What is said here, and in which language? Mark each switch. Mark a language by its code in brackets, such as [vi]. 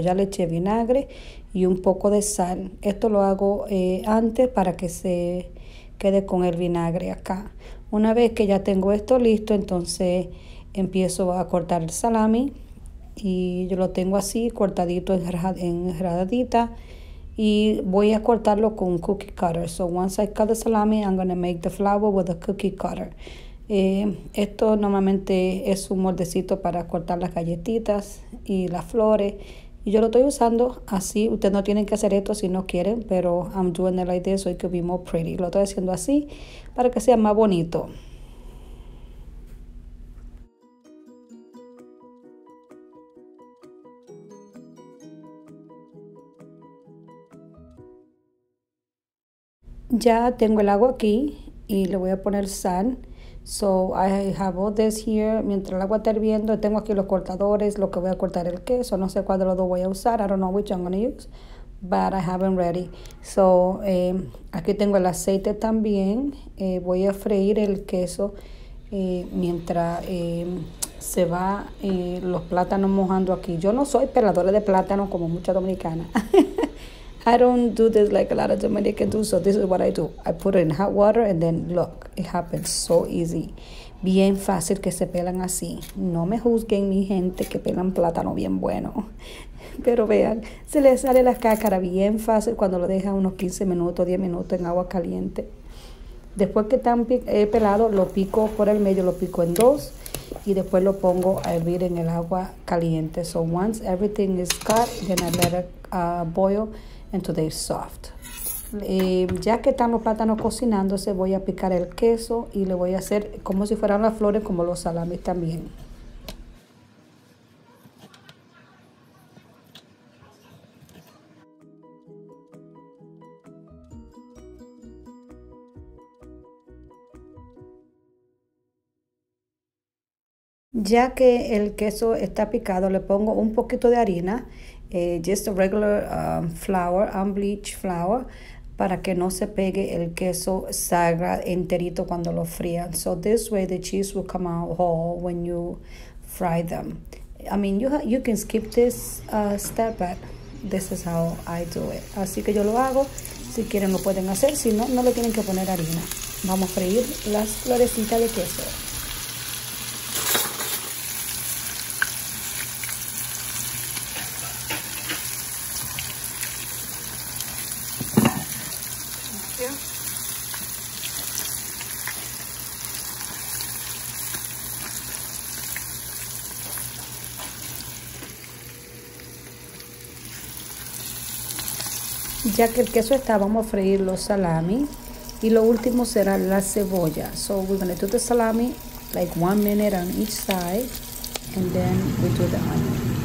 [es] Ya le eché vinagre y un poco de sal. Esto lo hago antes para que se quede con el vinagre acá. Una vez que ya tengo esto listo, entonces empiezo a cortar el salami y yo lo tengo así cortadito en rajadita y voy a cortarlo con un cookie cutter. [en] So once I cut the salami, I'm gonna make the flour with a cookie cutter. [es] Esto normalmente es un moldecito para cortar las galletitas y las flores. Y yo lo estoy usando así. Ustedes no tienen que hacer esto si no quieren, pero [en] I'm doing it like this so it could be more pretty. [es] Lo estoy haciendo así para que sea más bonito. Ya tengo el agua aquí y le voy a poner sal. [en] So, I have all this here. [es] Mientras el agua está hirviendo, tengo aquí los cortadores, lo que voy a cortar el queso. No sé cuál de los dos voy a usar. [en] I don't know which I'm going to use, but I haven't ready. [es] So, aquí tengo el aceite también. Voy a freír el queso mientras se va los plátanos mojando aquí. Yo no soy peladora de plátano como muchas dominicanas. [en] I don't do this like a lot of Dominicans do, so this is what I do. I put it in hot water and then look, it happens so easy. [es] Bien fácil que se pelan así. No me juzguen mi gente que pelan plátano bien bueno. Pero vean, se les sale la cáscara bien fácil cuando lo dejan unos 15 minutos, 10 minutos en agua caliente. Después que están pelados, lo pico por el medio, lo pico en dos y después lo pongo a hervir en el agua caliente. [en] So once everything is cut, then I let it boil. [es] Entonces, soft. Ya que están los plátanos cocinándose, voy a picar el queso y le voy a hacer como si fueran las flores, como los salamis también. Ya que el queso está picado, le pongo un poquito de harina. [en] Just a regular flour, unbleached flour, [es] para que no se pegue el queso, salga enterito cuando lo frían. [en] So this way the cheese will come out whole when you fry them. I mean, you can skip this step, but this is how I do it. [es] Así que yo lo hago. Si quieren lo pueden hacer, si no, no le tienen que poner harina. Vamos a freír las florecitas de queso. Ya que el queso está, vamos a freír los salami y lo último será la cebolla. [en] So we're going to do the salami like 1 minute on each side and then we do the onion.